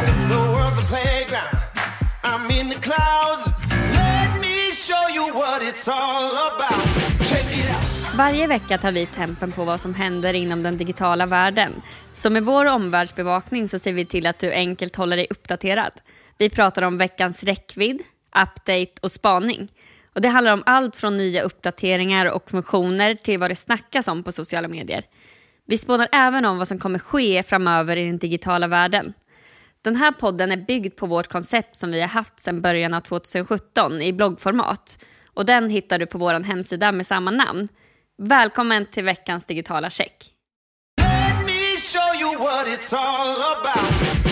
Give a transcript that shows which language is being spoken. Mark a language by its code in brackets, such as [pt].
[en] The world's a playground. I'm in the clouds. Let me show you what it's all about. Check it out. [sv] Varje vecka tar vi tempen på vad som händer inom den digitala världen. Så med vår omvärldsbevakning så ser vi till att du enkelt håller dig uppdaterad. Vi pratar om veckans räckvidd, update och spaning. Och det handlar om allt från nya uppdateringar och funktioner till vad det snackas om på sociala medier. Vi spånar även om vad som kommer ske framöver i den digitala världen. Den här podden är byggd på vårt koncept som vi har haft sedan början av 2017 i bloggformat. Och den hittar du på vår hemsida med samma namn. Välkommen till veckans digitala check. [en] Let me show you what it's all about.